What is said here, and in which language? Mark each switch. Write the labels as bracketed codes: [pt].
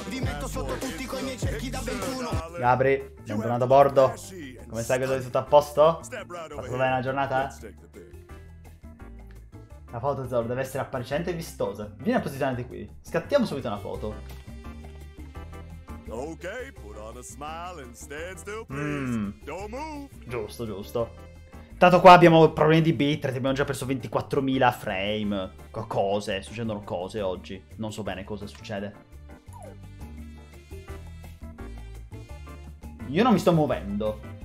[it] Vi metto sotto tutti con i miei cerchi da 21. Gabri, siamo tornati a bordo. Come sai che sono tutto a posto? Fatto bene la giornata? La foto, Zoro, deve essere appariscente e vistosa. Vieni a posizionarti qui. Scattiamo subito una foto. [en] Ok, put on a smile and stand still, please. Don't move. [it] Giusto, giusto. Tanto qua abbiamo problemi di bitrate, abbiamo già perso 24.000 frame. Cose, succedono cose oggi. Non so bene cosa succede. Io non mi sto muovendo.